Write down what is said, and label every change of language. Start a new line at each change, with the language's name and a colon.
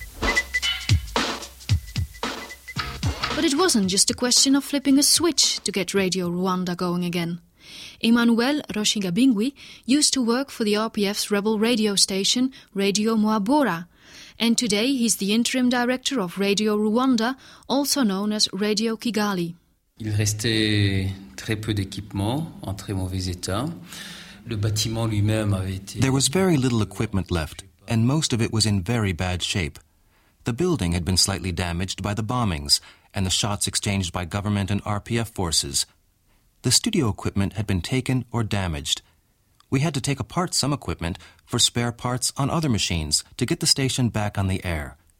English: But it wasn't just a question of flipping a switch to get Radio Rwanda going again. Emmanuel Roshingabingwi used to work for the RPF's rebel radio station, Radio Mwabora. And today he's the interim director of Radio Rwanda, also known as Radio Kigali.
French: Il restait très peu d'équipement en très mauvais état. Le bâtiment lui-même avait été...
English: There was very little equipment left, and most of it was in very bad shape. The building had been slightly damaged by the bombings and the shots exchanged by government and RPF forces. The studio equipment had been taken or damaged. We had to take apart some equipment for spare parts on other machines to get the station back on the air.